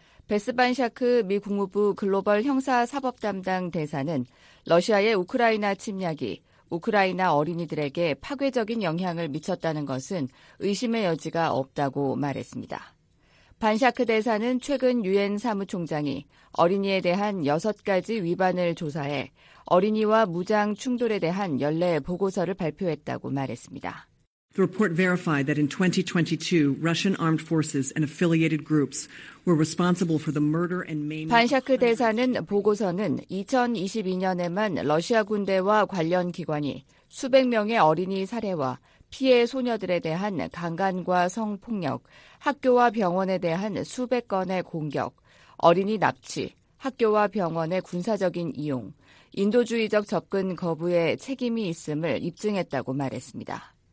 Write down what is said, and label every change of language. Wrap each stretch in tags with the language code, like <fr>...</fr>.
<ko>베스반샤크 미 국무부 글로벌 형사사법 담당 대사는 러시아의 우크라이나 침략이 우크라이나 어린이들에게 파괴적인 영향을 미쳤다는 것은 의심의 여지가 없다고 말했습니다. 반샤크 대사는 최근 유엔 사무총장이 어린이에 대한 6가지 위반을 조사해 어린이와 무장 충돌에 대한 연례 보고서를 발표했다고 말했습니다.</ko> <en>The report verified that in 2022, Russian armed forces and affiliated groups were responsible for the murder and maiming.</en> <ko>반샤크 대사는 보고서는 2022년에만 러시아 군대와 관련 기관이 수백 명의 어린이 살해와 피해 소녀들에 대한 강간과 성폭력, 학교와 병원에 대한 수백 건의 공격, 어린이 납치, 학교와 병원의 군사적인 이용, 인도주의적 접근 거부에 책임이 있음을 입증했다고 말했습니다.</ko>